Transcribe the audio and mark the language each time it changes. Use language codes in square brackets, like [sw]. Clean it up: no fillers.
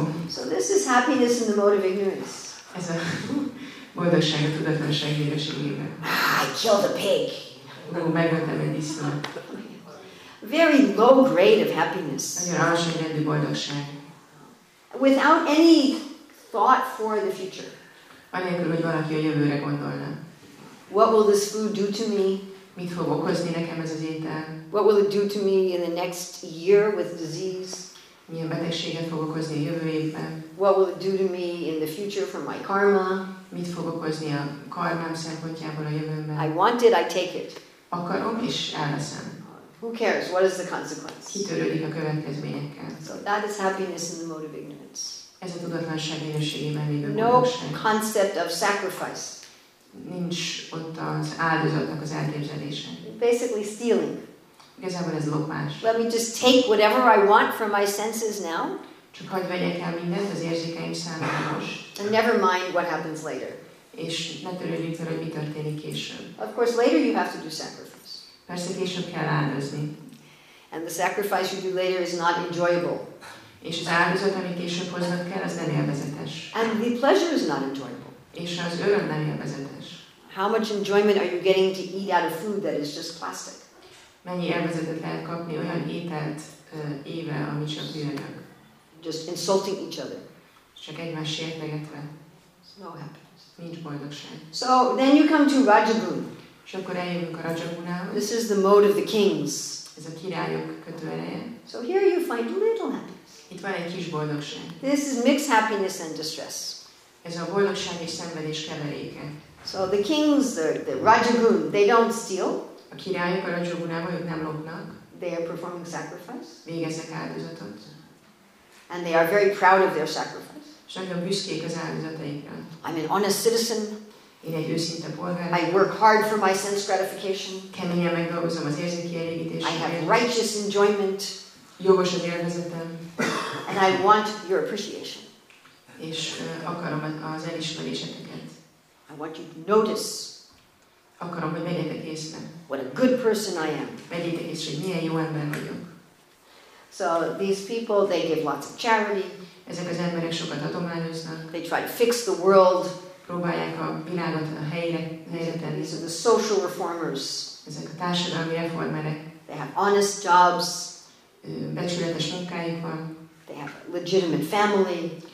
[en] So this is happiness in the mode of ignorance. [hu] Ez a boldogság a tudatlanság minőségében. [en] I killed a pig. [hu] Megöltem egy disznót. [en] Very low grade of happiness. [hu] Nagyon alacsony rendű boldogság. [en] Without any thought for the future. [hu] Anélkül, hogy valaki a jövőre gondolna. [en] What will this food do to me? [hu] Mit fog okozni nekem ez az étel? [en] What will it do to me in the next year with disease? [hu] Milyen betegséget fog okozni a jövő évben? [en] What will it do to me in the future for my karma? [hu] Mit fog okozni a karmám szempontjából a jövőben? [en] I want it, I take it. [hu] Akarom és elveszem. [en] Who cares? What is the consequence? [hu] Kitörődik a következményekkel. [en] So that is happiness in the mode of ignorance. [hu] Ez a tudatlanság minőségében lévő [en] no concept of sacrifice. [hu] Nincs ott az áldozatnak az elképzelése. [en] Basically stealing. [hu] Igazából ez lopás. [en] Let me just take whatever I want from my senses now. [hu] Csak hadd vegyek el mindent az érzékeim számára most. [en] And never mind what happens later. [hu] És ne törődjünk fel, hogy mi történik később. [en] Of course, later you have to do sacrifice. [hu] Persze később kell áldozni. [en] And the sacrifice you do later is not enjoyable. [hu] És az áldozat, amit később hoznod kell, az nem élvezetes. [en] And the pleasure is not enjoyable. [hu] És az öröm nem élvezetes. [en] How much enjoyment are you getting to eat out of food that is just plastic? [hu] Mennyi élvezetet lehet kapni olyan ételt éve, ami csak műanyag? [en] Just insulting each other. [hu] Csak egymás sértegetve. [en] No happiness. [hu] Nincs boldogság. [en] So then you come to Rajagun. [hu] És akkor eljövünk a Rajagunához. [en] This is the mode of the kings. [hu] Ez a királyok kötőereje. [en] So here you find little happiness. [hu] Itt van egy kis boldogság. [en] This is mixed happiness and distress. [hu] Ez a boldogság és szenvedés keveréke. [en] So the kings, the Rajagun, they don't steal. [hu] A királyok a Rajagunában, ők nem lopnak. [en] They are performing sacrifice. [hu] Végeznek áldozatot. [en] And they are very proud of their sacrifice. [hu] És nagyon büszkék az áldozataikra. [en] I'm an honest citizen. [hu] Én egy őszinte polgár. [en] I work hard for my sense gratification. [hu] Keményen megdolgozom az érzékkielégítésre. [en] I have righteous enjoyment. [hu] Jogos az élvezetem. [en] And I want your appreciation. [hu] És akarom az elismeréseteket. [en] I want you to notice. [hu] Akarom, hogy vegyétek észre. [en] What a good person I am. [hu] Vegyétek észre, hogy milyen jó ember vagyok. [en] So these people, they give lots of charity. [hu] Ezek az emberek sokat adományoznak. [en] They try to fix the world. [hu] Próbálják a világot a helyre tenni. [en] These are the social reformers. [hu] Ezek a társadalmi reformerek. [en] They have honest jobs. [hu] Becsületes munkájuk van. [en] They have a legitimate family.